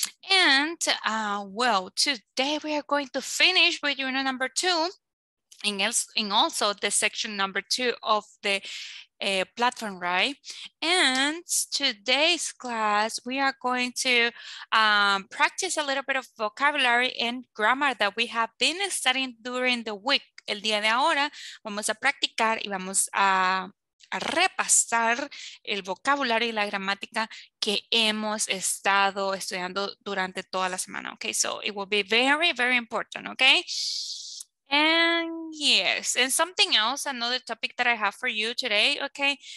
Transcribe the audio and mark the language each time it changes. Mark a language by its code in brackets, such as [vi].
[en] And well, today we are going to finish with unit number 2 and also the section number 2 of the platform, right? And today's class, we are going to practice a little bit of vocabulary and grammar that we have been studying during the week. [es] El día de ahora, vamos a practicar y vamos a repasar el vocabulario y la gramática que hemos estado estudiando durante toda la semana. [en] Okay, so it will be very, very important, okay? And yes, and something else, another topic that I have for you today, okay?